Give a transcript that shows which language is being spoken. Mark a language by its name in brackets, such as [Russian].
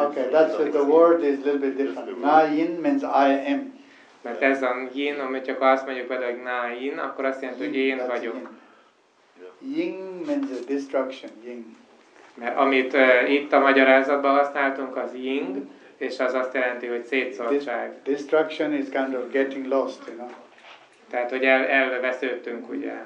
[English] That's what the word is a little bit different. Na yin means I am. [Hungarian] Mert ez a yin, amit csak azt mondjuk vele, hogy na yin, akkor azt jelenti, hogy én vagyok. [English] Ying means a destruction, ying. [Hungarian] Mert amit itt a magyarázatban használtunk, az ying, és az azt jelenti, hogy szétszórtság. [English] Destruction is kind of getting lost, you know. [Hungarian] Tehát, hogy elvesződtünk, ugye.